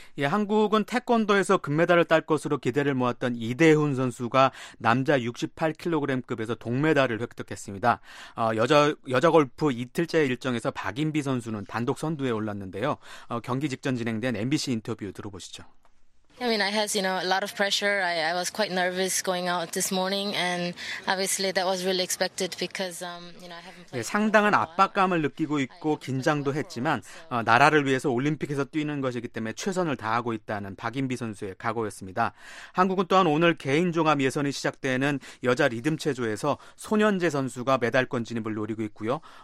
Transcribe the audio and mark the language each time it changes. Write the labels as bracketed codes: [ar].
[ko] 예, 한국은 태권도에서 금메달을 딸 것으로 기대를 모았던 이대훈 선수가 남자 68kg급에서 동메달을 획득했습니다. 여자 골프 이틀째 일정에서 박인비 선수는 단독 선두에 올랐는데요. 경기 직전 진행된 MBC 인터뷰 들어보시죠. [en] I mean, I had, you know, a lot of pressure. I was quite nervous going out this morning, and obviously that was really expected because, you know, I haven't played. [ko] 네, 상당한 압박감을 느끼고 있고 긴장도 했지만 나라를 위해서 올림픽에서 뛰는 것이기 때문에 최선을 다하고 있다는 박인비 선수의 각오였습니다. 한국은 또한 오늘 개인 종합 예선이 시작되는 여자 리듬 체조에서 손연재 선수가 메달권 진입을 노리고 있고요.